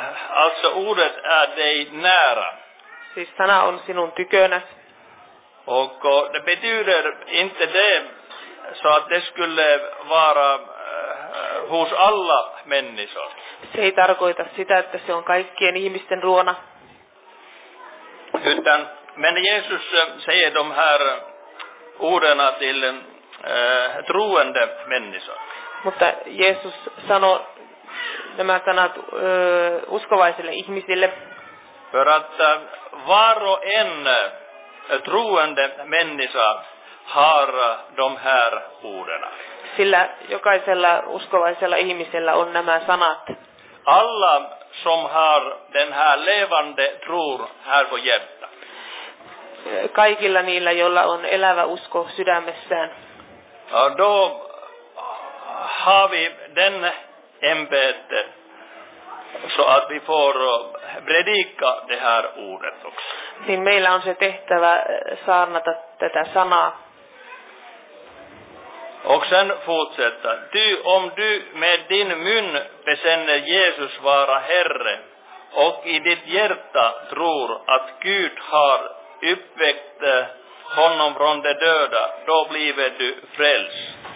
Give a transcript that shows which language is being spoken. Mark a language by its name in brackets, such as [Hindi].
[Swedish] Alltså ordet är dig nära. [Finnish] Siis sana on sinun tykönäs. [Swedish] Det betyder inte det, så att det skulle vara hos alla människor. [Finnish] Se ei tarkoita sitä, että se on kaikkien ihmisten luona. [Swedish] Men Jeesus säger de här ordena till troende människor. [Finnish] Mutta Jeesus sanoo nämä sanat uskovaisille ihmisille. [Swedish] För att var och en troende människa har de här ordena. [Finnish] Sillä jokaisella uskovaisella ihmisellä on nämä sanat. [Swedish] Alla som har den här levande tron här på hjärta. [Finnish] Kaikilla niillä, joilla on elävä usko sydämessään. [Swedish] Då har vi den ämbete, så att vi får predika det här ordet också. [Finnish] Niin meillä on se tehtävä saarnata tätä sanaa. [Swedish] Och sen fortsätter. Ty, om du med din mun bekänner Jesus vara Herre och i ditt hjärta tror att Gud har uppväckt honom från de döda, då blir du frälst.